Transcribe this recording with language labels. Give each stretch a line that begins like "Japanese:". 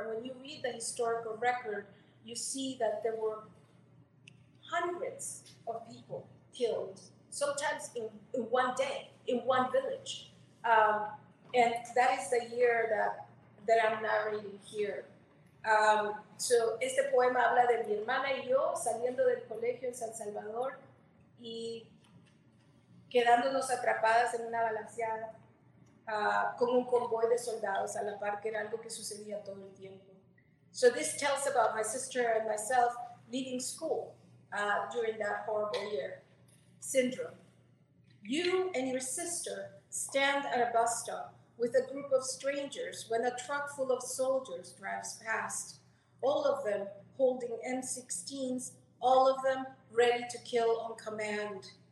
English: And when you read the historical record, you see that there were hundreds of people killed, sometimes in one day, in one village. And that is the year that I'm narrating here.
Spanish: So este poema habla de mi hermana y yo saliendo del colegio en San Salvador y quedándonos atrapadas en una balaceada con un convoy de soldados a la par, que era algo que sucedía todo el tiempo.
English: So this tells about my sister and myself leaving school during that horrible year. Syndrome. You and your sister stand at a bus stop with a group of strangers when a truck full of soldiers drives past, all of them holding M16s, all of them ready to kill on command.